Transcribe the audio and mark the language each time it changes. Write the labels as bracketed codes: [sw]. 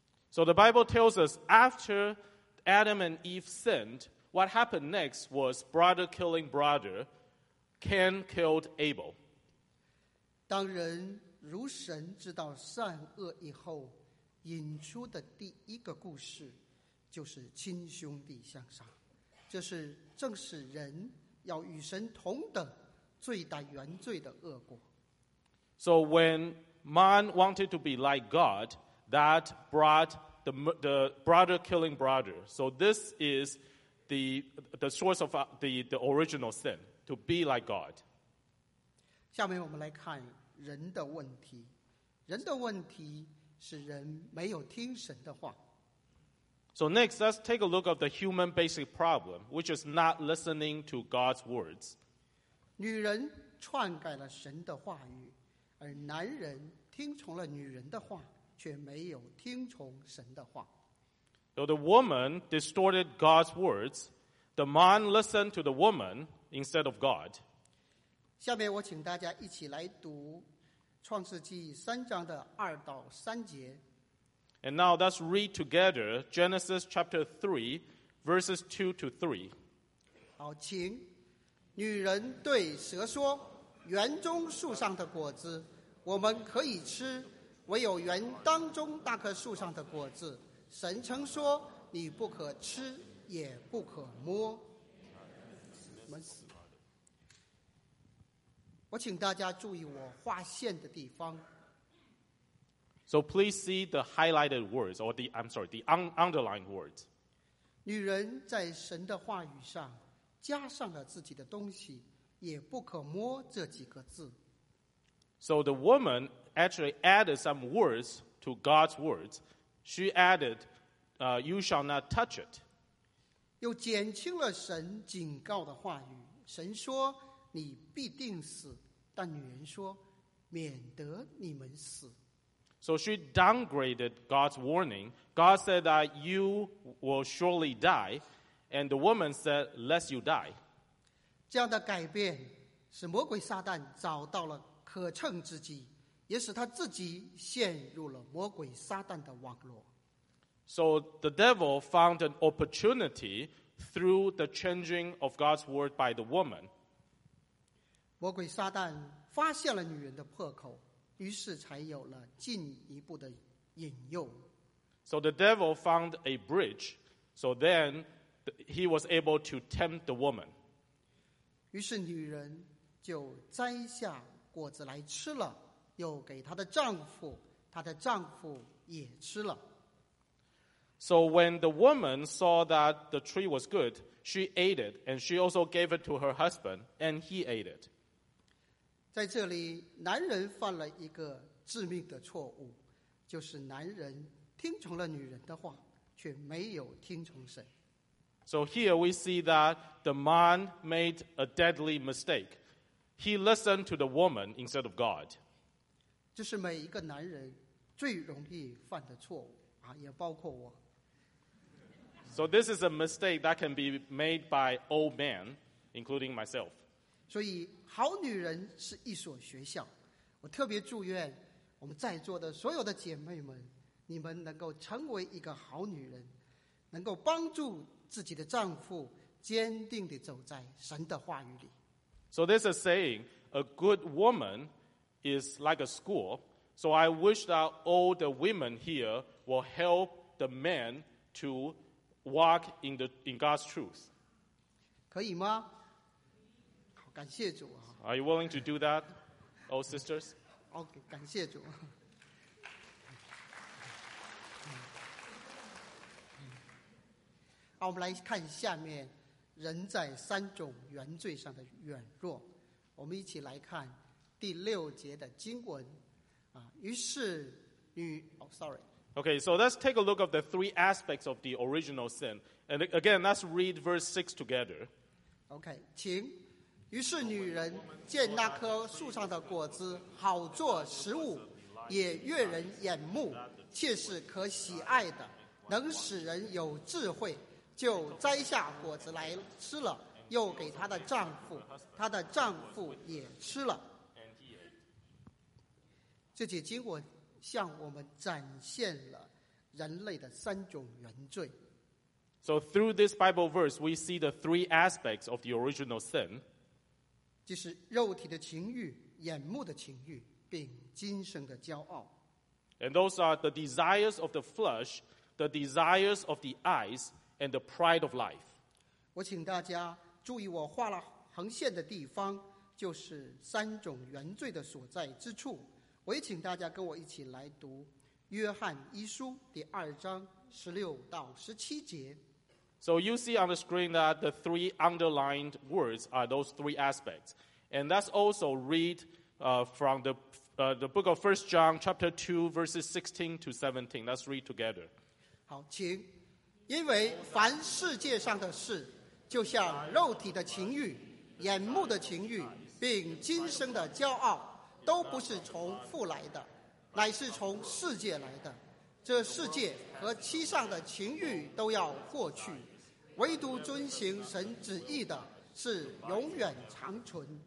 [en] So the Bible tells us after Adam and Eve sinned, what happened next was brother killing brother, Cain killed Abel. [zh] 当人如神知道善恶以后，引出的第一个故事就是亲兄弟相杀，这是正是人要与神同等最大原罪的恶果。 [en] So whenMan wanted to be like God, that brought the brother killing brother. So this is the source of the original sin, to be like God. [zh] 下面我们来看人的问题。人的问题是人没有听神的话。 [en] So next, let's take a look at the human basic problem, which is not listening to God's words. [zh] 女人篡改了神的话语，而男人听从了女人的话，却没有听从神的话。 [en] So the woman distorted God's words, the man listened to the woman instead of God. [zh] 下面我请大家一起来读创世纪三章的二到三节。 [en] And now let's read together Genesis chapter 3, verses 2 to 3. [zh] 好，请女人对蛇说，园中树上的果子我们可以吃，唯有园当中那棵树上的果子，神曾说，你不可吃，也不可摸。我请大家注意我划线的地方。 [en] So please see the highlighted words, or the, I'm sorry, the underlined words. [zh] 女人在神的话语上加上了自己的东西，也不可摸这几个字。 [en] So the woman actually added some words to God's words. She added, you shall not touch it. [zh] 又减轻了神警告的话语。神说，你必定死。但女人说，免得你们死。 [en] So she downgraded God's warning. God said that you will surely die, and the woman said, lest you die. [zh] 这样的改变使魔鬼撒旦找到了可乘之机，也使他自己陷入了魔鬼撒旦的网络。 [en] So the devil found an opportunity through the changing of God's word by the woman. [zh] 魔鬼撒旦发现了女人的破口，于是才有了进一步的引诱。 [en] So the devil found a bridge, so then he was able to tempt the woman. [zh] 于是女人就摘下果子来吃了，又给她的丈夫，她的丈夫也吃了。 [en] So when the woman saw that the tree was good, she ate it, and she also gave it to her husband, and he ate it. [zh] 在这里，男人犯了一个致命的错误，就是男人听从了女人的话，却没有听从神。 [en] So here we see that the man made a deadly mistake. He listened to the woman instead of God. [zh] 这是每一个男人最容易犯的错误，也包括我。 [en] So this is a mistake that can be made by all men, including myself. [zh] 所以好女人是一所学校，我特别祝愿我们在座的所有的姐妹们，你们能够成为一个好女人，能够帮助自己的丈夫坚定地走在神的话语里。 [en] So this is saying, a good woman is like a school. So I wish that all the women here will help the men to walk in God's truth. [zh] 可以吗？好，感谢主。 [en] Are you willing to do that, old sisters? [zh] OK, 感谢主。好，我们来看下面人在三种原罪上的软弱。我们一起来看第六节的经文。于是女 [en] ，Oh, sorry. Okay, so let's take a look at the three aspects of the original sin. And again, let's read verse 6 together. [zh] Okay, 请。于是女人见那棵树上的果子好做食物，也悦人眼目，却是可喜爱的，能使人有智慧。就摘下果子来吃了，又给她的丈夫，她的丈夫也吃了。这节经文向我们展现了人类的三种原罪。 [en] So through this Bible verse, we see the three aspects of the original sin. [zh] 就是肉体的情欲、眼目的情欲，并今生的骄傲。 [en] And those are the desires of the flesh, the desires of the eyes,and the pride of life. [zh] 我请大家注意我画了横线的地方，就是三种原罪的所在之处。我也请大家跟我一起来读约翰一书第二章十六到十七节。 [en] So you see on the screen that the three underlined words are those three aspects. And let's also read from the book of 1 John chapter 2 verses 16 to 17. Let's read together. [zh] 好，请。因为凡世界上的事，就像肉体的情欲、眼目的情欲，并今生的骄傲，都不是从父来的，乃是从世界来的。这世界和其上的情欲都要过去，唯独遵行神旨意的是永远长存。